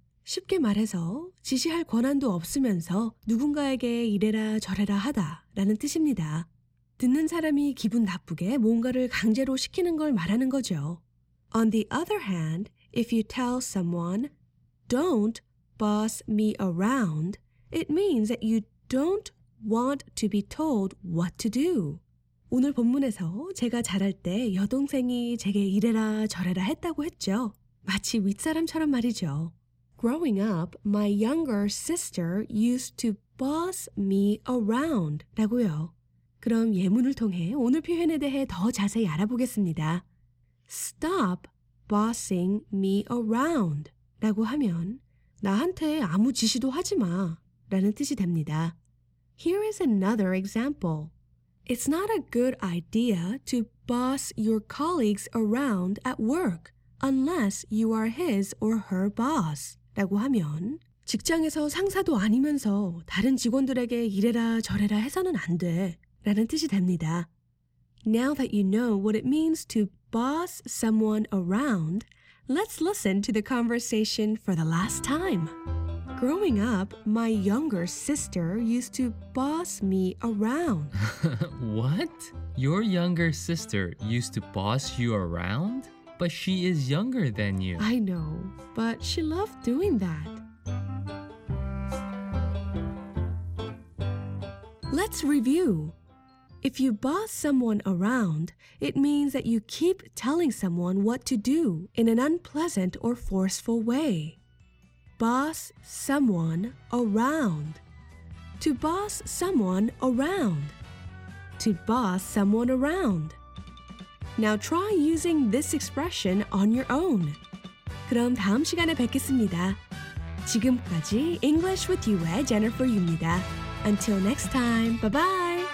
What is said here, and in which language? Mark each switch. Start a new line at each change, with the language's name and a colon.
Korean: 쉽게 말해서 지시할 권한도 없으면서 누군가에게 이래라 저래라 하다 라는 뜻입니다. 듣는 사람이 기분 나쁘게 뭔가를 강제로 시키는 걸 말하는 거죠.
English: On the other hand, if you tell someone, don't boss me around, it means that you don't want to be told what to do.
Korean: 오늘 본문에서 제가 자랄 때 여동생이 제게 이래라 저래라 했다고 했죠. 마치 윗사람처럼 말이죠.
English: Growing up, my younger sister used to boss me around
Korean: 라고요. 그럼 예문을 통해 오늘 표현에 대해 더 자세히 알아보겠습니다.
English: Stop bossing me around
Korean: 라고 하면 나한테 아무 지시도 하지 마 라는 뜻이 됩니다.
English: Here is another example. It's not a good idea to boss your colleagues around at work unless you are his or her boss.
Korean: 라고 하면 직장에서 상사도 아니면서 다른 직원들에게 이래라 저래라 해서는 안 돼 라는 뜻이 됩니다.
English: Now that you know what it means to boss someone around, let's listen to the conversation for the last time. Growing up, my younger sister used to boss me around. What? Your younger sister used to boss you around? But she is younger than you. I know, but she loved doing that. Let's review. If you boss someone around, it means that you keep telling someone what to do in an unpleasant or forceful way. Boss someone around. To boss someone around. To boss someone around. Now try using this expression on your own.
Korean: 그럼 다음 시간에 뵙겠습니다. 지금까지
English: English with you의 Jennifer입니다. Until next time, bye-bye!